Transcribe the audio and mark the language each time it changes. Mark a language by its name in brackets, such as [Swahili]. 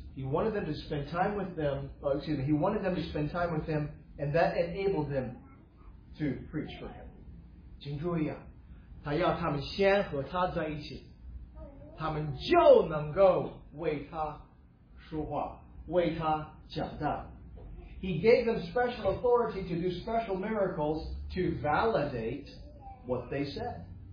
[English] He wanted them to spend time with them, he wanted them to spend time with him, and that enabled them to preach for him. [Chinese] 请注意啊, 他要他们先和他在一起, 他们就能够为他说话, 为他讲道。 [English] He gave them special authority to do special miracles to validate what they said.